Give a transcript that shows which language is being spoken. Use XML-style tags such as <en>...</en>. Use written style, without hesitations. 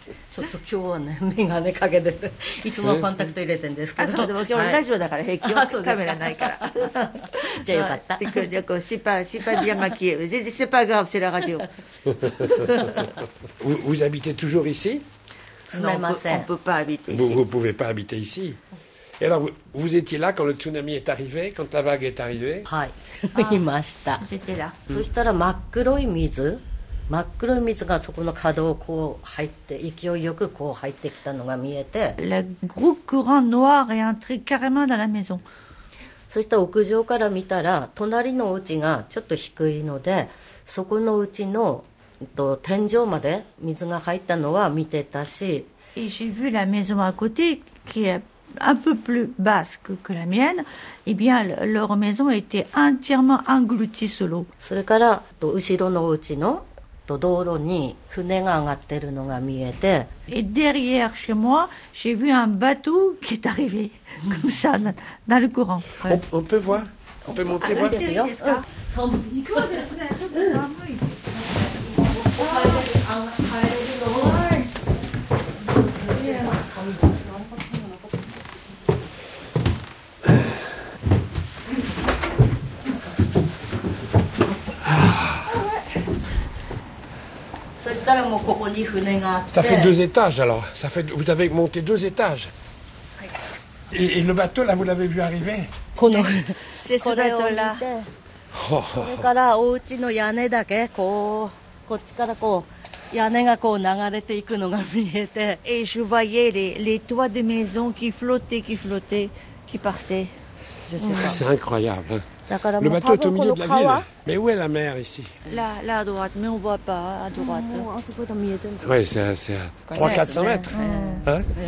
<ja>ちょっと今日はね、眼鏡かけてて、いつもコンタクト入れてんですけど。でも今日ラジオだから平気よ、カメラないから。じゃあよかった。で、こう、シパディアマキエ、ジェシパガフセラガジオ。</ja> <fr>vous habitez toujours ici ? Non, on peut pas habiter ici. Vous pouvez pas habiter ici. Et alors, vous étiez là quand le tsunami est arrivé, quand la vague est arrivée ? Oui, j'étais là. J'étais là.</fr> <ja>そしたら真っ黒い水、真っ黒い水がそこの角をこう入って、勢いよくこう入ってきたのが見えて。</ja> <fr>Le gros courant noir est entré carrément dans la maison.</fr> <ja>そしたら屋上から見たら、隣のお家がちょっと低いので、そこのうちの天井まで水が入ったのは見てたし。</ja> <fr>Et j'ai vu la maison à côté qui est un peu plus basse que la mienne, eh bien, leur maison était entièrement engloutie sous l'eau.</fr> <ja>それから、後ろのうちの道路に船が上がってるのが見えて。</ja> <fr>Et derrière chez moi, j'ai vu un bateau qui est arrivé, comme ça, dans le courant. On peut voir? On peut monter voir? Ah, ça fait deux étages alors. Ça fait, vous avez monté deux étages. Et le bateau là, vous l'avez vu arriver? C'est ce bateau là.</fr> <ja>それからお家の屋根だけこうこっちからこう屋根がこう流れていくのが見えて。</ja> <fr>Et je voyais les toits de maison qui flottaient, qui flottaient, qui partaient. Je sais pas. C'est incroyable. Le bateau est au milieu de la ville. Mais où est la mer ici? Là à droite, mais on voit pas à droite. Oui, c'est 300-400 mètres. Hein?</fr>